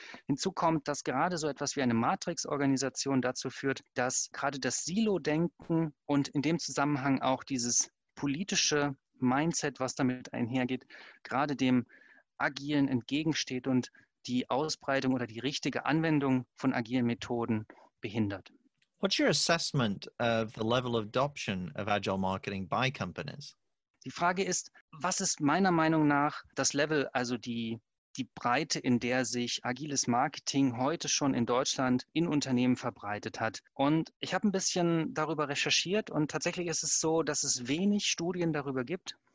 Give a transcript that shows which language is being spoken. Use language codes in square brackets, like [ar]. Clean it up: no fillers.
[de] Hinzu kommt, dass gerade so etwas wie eine Matrix-Organisation dazu führt, dass gerade das Silo-Denken und in dem Zusammenhang auch dieses politische Mindset, was damit einhergeht, gerade dem Agilen entgegensteht und die Ausbreitung oder die richtige Anwendung von agilen Methoden behindert. [en] What's your assessment of the level of adoption of agile marketing by companies? [de] Die Frage ist, was ist meiner Meinung nach das Level, also die Breite, in der sich agiles Marketing heute schon in Deutschland in Unternehmen verbreitet hat? Und ich habe ein bisschen darüber recherchiert und tatsächlich ist es so, dass es wenig Studien darüber gibt.